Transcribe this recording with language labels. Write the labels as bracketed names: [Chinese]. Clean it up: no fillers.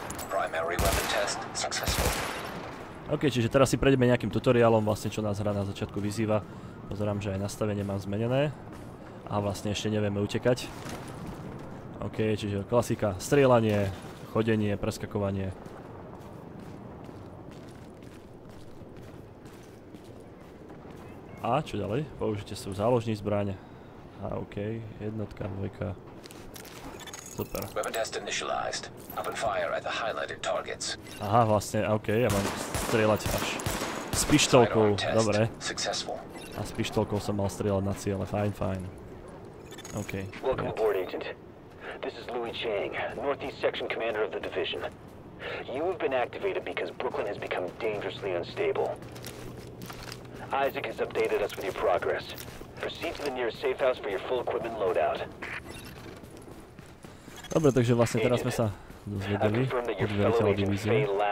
[English] Primary weapon test successful. [Slovak] OK, čiže teraz si prejdeme nejakým tutoriálom, vlastne čo nás hra na začiatku vyzýva. Pozerám, že aj nastavenie mám zmenené. A vlastne ešte nevieme utekať. OK, čiže klasika, strieľanie, chodenie, preskakovanie. A čo ďalej? Použite svoju záložnú zbraň. A OK, jednotka, dvojka. Super. [English] Weapon test initialized. Open fire at the highlighted targets. [Slovak] Aha, vlastne, OK, ja mám strieľať až s pištolkou, dobre. A s pištolkou som mal strieľať na ciele, fajn. [English] OK. Welcome aboard, agent. This is Louis Chang, Northeast Section Commander of the Division. You have been activated because Brooklyn has become dangerously unstable. Isaac has updated us with your progress. Proceed to the nearest safe house for your full equipment loadout. [Slovak] Dobre, takže vlastne teraz sme sa dozvedeli od veliteľa divízie.